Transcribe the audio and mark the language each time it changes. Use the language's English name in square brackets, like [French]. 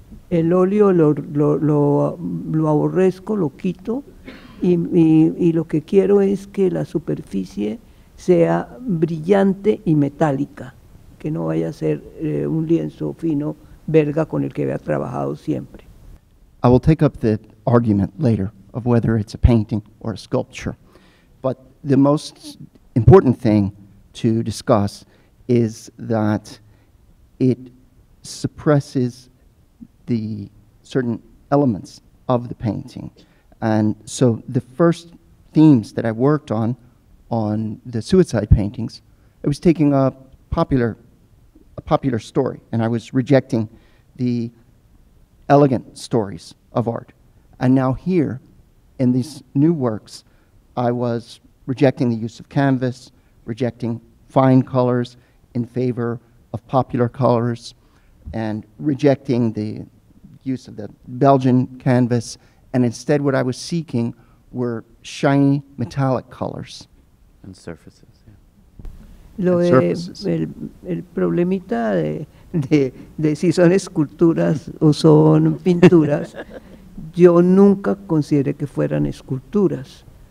[Spanish] El óleo lo aborrezco, lo quito, y lo que quiero es que la superficie sea brillante y metálica, que no vaya a ser un lienzo fino belga con el que había trabajado siempre. [English] I will take up the argument later of whether it's a painting or a sculpture, but the most important thing to discuss is that it suppresses the certain elements of the painting. And so the first themes that I worked on the suicide paintings, I was taking a popular story, and I was rejecting the elegant stories of art. And now here, in these new works, I was rejecting the use of canvas, rejecting fine colors in favor of popular colors, and rejecting the use of the Belgian canvas, and instead what I was seeking were shiny metallic colors. And surfaces, yeah. [Spanish] El problemita de si son esculturas o son pinturas, yo nunca consideré que fueran esculturas.